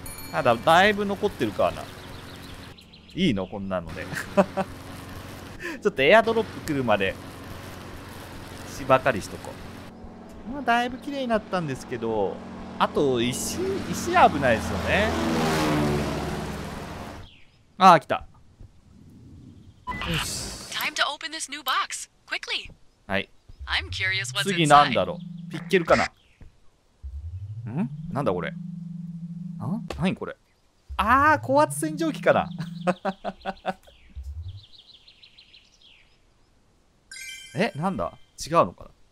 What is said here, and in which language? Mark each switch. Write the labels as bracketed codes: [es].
[ja] ただ、だいぶ残ってるからな。いいの？こんなので。ちょっとエアドロップ来るまで、芝刈りしとこう。まあだいぶ綺麗になったんですけど、あと石危ないですよね。ああ、来た。 [en] Time to open this new box quickly. [ja] はい。 [en] I'm curious what's inside. [ja] 次なんだろう。ピッケルかな。ん？なんだこれ。あ？何これ。あー、高圧洗浄機かな。え、なんだ違うのかな。